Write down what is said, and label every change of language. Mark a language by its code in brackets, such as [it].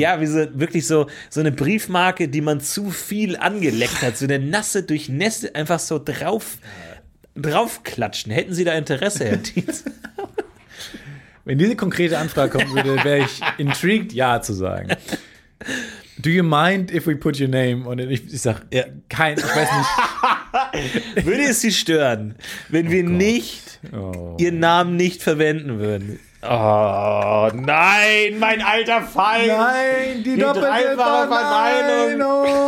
[de] Ja, wie so wirklich so eine Briefmarke, die man zu viel angeleckt hat, so eine nasse durchnässte, einfach so drauf klatschen. Hätten Sie da Interesse, Herr Tietz? Wenn diese konkrete Anfrage kommen würde, wäre ich intrigued, ja zu sagen. [en] Do you mind if we put your name on it? [de] Ich sag, ja. Ich weiß nicht. Würde es Sie stören, wenn wir nicht Ihren Namen nicht verwenden würden? Oh nein, mein alter Feind! Nein, die doppelte Verneinung!